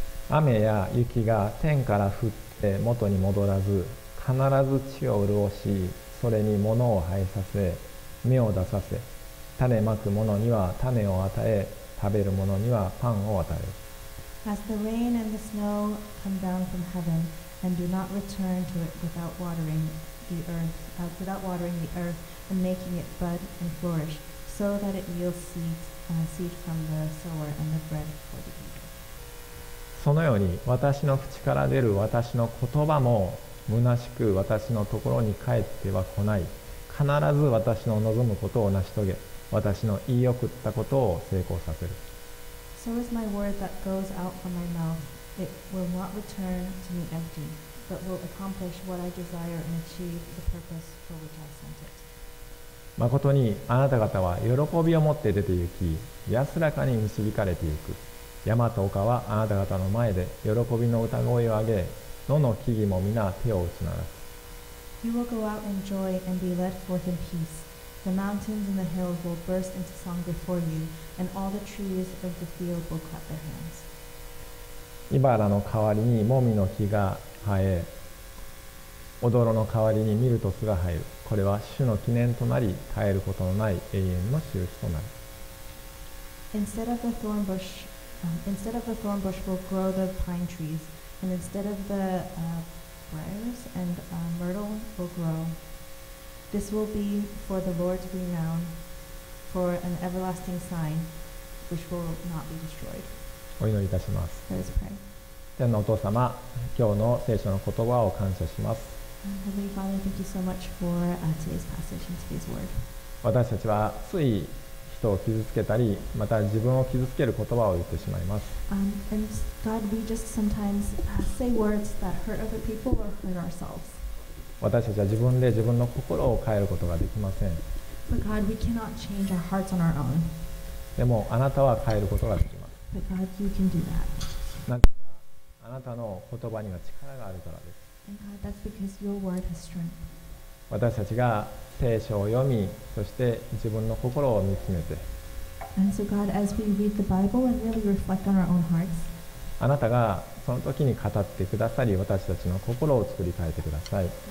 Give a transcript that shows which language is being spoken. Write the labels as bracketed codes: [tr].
[ja] 雨や雪が天から降って元に戻らず、必ず地を潤し、それに物を生えさせ、芽を出させ、種まく者には種を与え、食べる者にはパンを与える。 [en] As the rain and the snow come down from heaven and do not return to it without watering the earth, without watering the earth and making it bud and flourish, so that it yields seed, seed from the sower and the bread for the eater. [ja] そのように私の口から出る私の言葉も虚しく私のところに帰っては来ない。必ず私の望むことを成し遂げ、私の言い送ったことを成功させる。 [en] So is my word that goes out from my mouth. It will not return to me empty, but will accomplish what I desire and achieve the purpose for which I sent it. [ja] 誠にあなた方は喜びを持って出て行き、安らかに導かれて行く。山と丘はあなた方の前で喜びの歌声を上げ、野の木々も皆手を打ち鳴らす。 [en] You will go out in joy and be led forth in peace. The mountains and the hills will burst into song before you, and all the trees of the field will clap their hands. [ja] イバラの代わりにモミの木が生え、オドロの代わりにミルトスが生える。これは主の記念となり、絶えることのない永遠の印となる。 [en] Instead of the thorn bush will grow the pine trees, and instead of the briars and myrtle will grow. This will be for the Lord's renown, for an everlasting sign, which will not be destroyed. [ja] お祈りいたします。 [en] Let us pray. [ja] 天のお父様、今日の聖書の言葉を感謝します。 [en] Heavenly Father, thank you so much for today's passage and today's word. [ja] 私たちはつい人を傷つけたり、また自分を傷つける言葉を言ってしまいます。 [en] And God, we just sometimes say words that hurt other people or hurt ourselves. [ja] 私たちは自分で自分の心を変えることができません。 [en] But God, we cannot change our hearts on our own. [ja] でもあなたは変えることができます。 [en] But God, you can do that. [ja] なぜならあなたの言葉には力があるからです。 [en] And God, that's because your word has strength. [ja] 私たちが聖書を読み、そして自分の心を見つめて。 [en] And so God, as we read the Bible and really reflect on our own hearts. [ja] あなたがその時に語ってくださり、私たちの心を作り変えてください。